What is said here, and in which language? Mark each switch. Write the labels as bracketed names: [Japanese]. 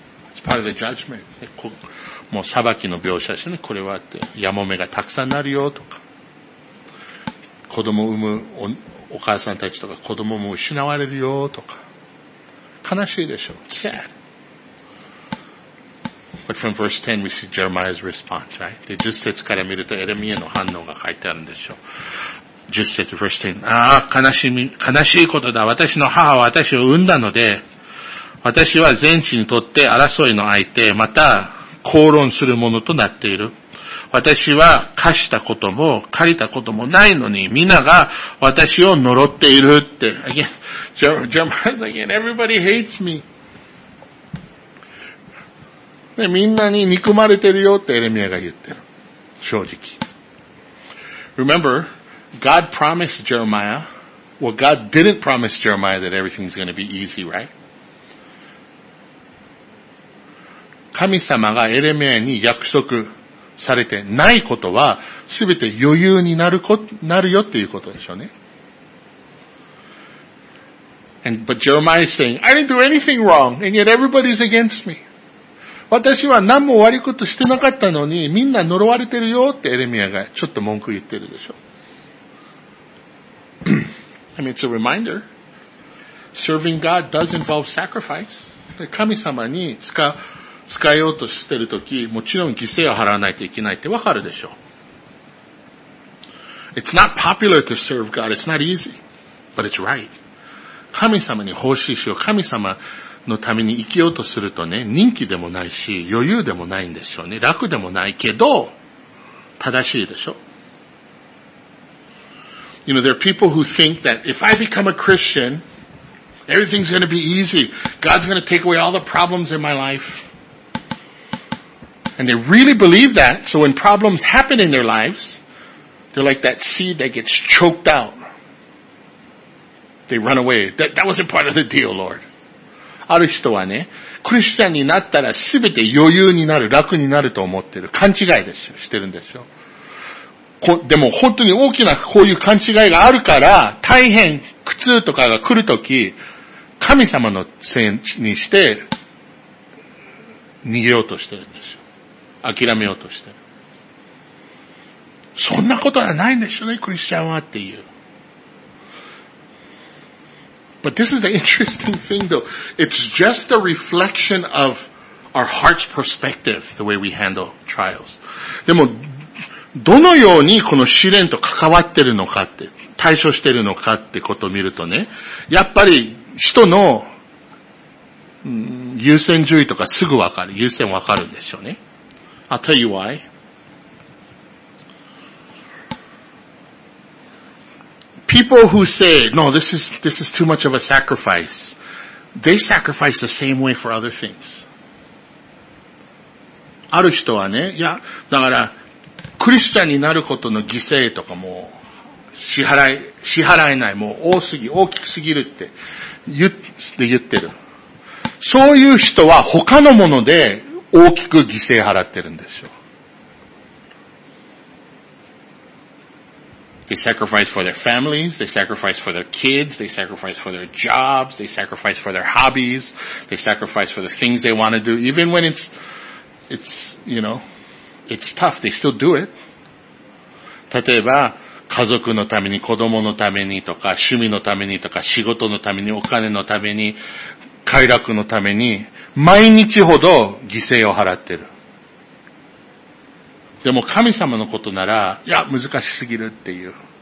[English] It's part of the judgment. [Japanese] もう裁きの描写ですね。これはって。ヤモメがたくさんなるよとか。子供を産む お母さんたちとか、子供も失われるよとか。悲しいでしょう。 [English] Sad. But from verse 10 we see Jeremiah's response, right? [Japanese] で、10節から見るとエレミエの反応が書いてあるんでしょう。 10節 [English] verse 10。 [Japanese] ああ、悲しいことだ。私の母は私を産んだので、私は全地にとって争いの相手、また、口論するものとなっている。私は貸したことも、借りたこともないのに、みんなが私を呪っているって。 [English] Again, Jeremiah's again, everybody hates me. [Japanese] で、みんなに憎まれてるよってエレミアが言ってる。正直。 [English] Remember, God promised Jeremiah, well, God didn't promise Jeremiah that everything's going to be easy, right? [Japanese] 神様がエレミアに約束されてないことは、すべて余裕になる、なるよっていうことでしょうね。 [English] And, but Jeremiah is saying, I didn't do anything wrong, and yet everybody's against me. [Japanese] 私は何も悪いことしてなかったのに、みんな呪われてるよってエレミアがちょっと文句言ってるでしょう。 [English] I mean, it's a reminder. Serving God does involve sacrifice. [Japanese] 神様に使う、使えようとしてるとき、もちろん犠牲を払わないといけないってわかるでしょう。 [English] It's not popular to serve God. It's not easy. But it's right. [Japanese] 神様に奉仕しよう。神様のために生きようとするとね、人気でもないし、余裕でもないんでしょうね。楽でもないけど、正しいでしょう。 [English] You know, there are people who think that if I become a Christian, everything's going to be easy. God's going to take away all the problems in my life. And they really believe that. So when problems happen in their lives, they're like that seed that gets choked out. They run away. That wasn't part of the deal, Lord. [Japanese] ある人はね、クリスチャンになったらすべて余裕になる、楽になると思ってる。勘違いですよ、してるんですよ。でも本当に大きなこういう勘違いがあるから、大変苦痛とかが来るとき、神様のせいにして、逃げようとしてるんですよ。諦めようとしてる。そんなことはないんでしょうね、クリスチャンはっていう。 [English] But this is the interesting thing though. It's just a reflection of our heart's perspective, the way we handle trials. [Japanese] でも、どのようにこの試練と関わってるのかって、対処してるのかってことを見るとね、やっぱり人の、優先順位とかすぐわかる、優先わかるんですよね。 [English] I'll tell you why. People who say, no, this is too much of a sacrifice, they sacrifice the same way for other things. [Japanese] ある人はね、いや、だから、クリスチャンになることの犠牲とかも支払えない、もう多すぎ、大きすぎるって言ってる。そういう人は他のもので大きく犠牲払ってるんですよ。 [English] They sacrifice for their families, they sacrifice for their kids, they sacrifice for their jobs, they sacrifice for their hobbies, they sacrifice for the things they want to do, even when it's, you know,It's tough, they still do it. [Japanese] 例えば、家族のために、子供のためにとか、趣味のためにとか、仕事のために、お金のために、快楽のために、毎日ほど犠牲を払ってる。でも神様のことなら、いや、難しすぎるっていう。